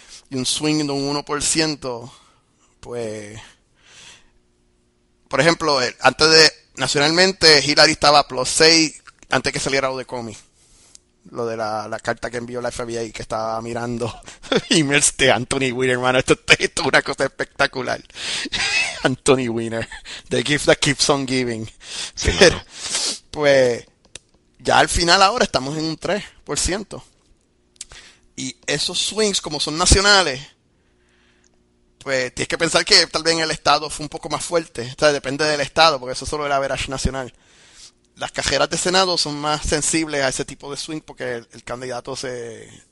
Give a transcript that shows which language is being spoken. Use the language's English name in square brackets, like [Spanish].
[Spanish] Y un swing de un 1%, pues. Por ejemplo, nacionalmente Hillary estaba a plus 6 antes que saliera lo de Comey. Lo de la carta que envió la FBI que estaba mirando emails de Anthony Weiner, hermano. Esto es una cosa espectacular. [English] Anthony Weiner, the gift that keeps on [Spanish] Sí, [English] giving. Pero, [Spanish] mano. pues, ya al final ahora estamos en un 3%. Y esos swings, como son nacionales, pues tienes que pensar que tal vez en el estado fue un poco más fuerte. O sea, depende del estado, porque eso solo era average nacional. Las cajeras de Senado son más sensibles a ese tipo de swing porque el candidato se